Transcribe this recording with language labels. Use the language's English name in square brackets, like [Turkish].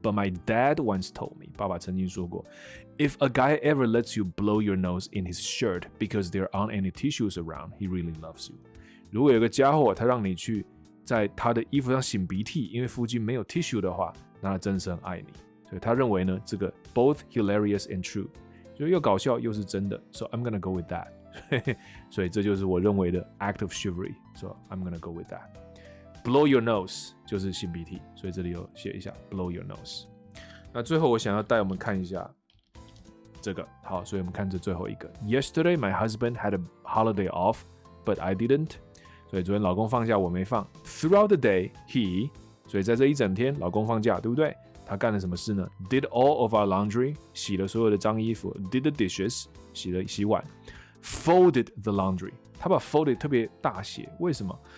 [English] But my dad once told me， [Chinese] 爸爸曾经说过 [English] ，if a guy ever lets you blow your nose in his shirt because there aren't any tissues around， he really loves you。 [Chinese] 如果有个家伙他让你去在他的衣服上擤鼻涕，因为附近没有 tissue 的话，那他真是很爱你。所以他认为呢，这个 [English] both hilarious and true， [Chinese] 就又搞笑又是真的。 [English] So I'm gonna go with that 。 [Chinese] 所以这就是我认为的 [English] act of chivalry。 So I'm gonna go with that。 Blow your nose [Chinese] 就是擤鼻涕，所以这里有写一下 [English] blow your nose。 [Chinese] 那最后我想要带我们看一下这个，好，所以我们看这最后一个。 [English] Yesterday my husband had a holiday off， but I didn't。 [Chinese] 所以昨天老公放假我没放。 [English] Throughout the day, he， [Chinese] 所以在这一整天老公放假，对不对？他干了什么事呢 ？ [English] Did all of our laundry， [Chinese] 洗了所有的脏衣服。 [English] Did the dishes， [Chinese] 洗了洗碗。 [English] Folded the laundry， [Chinese] 他把 folded 特别大写，为什么？